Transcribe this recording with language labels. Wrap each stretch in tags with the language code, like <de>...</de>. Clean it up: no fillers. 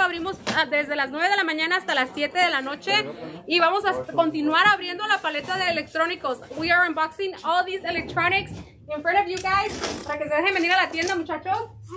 <es>Abrimos desde las 9 de la mañana hasta las 7 de la noche. Y vamos a continuar abriendo la paleta de electrónicos.</es> <en>We are unboxing all these electronics in front of you guys.</en> <es>Para que se dejen venir a la tienda, muchachos.</es>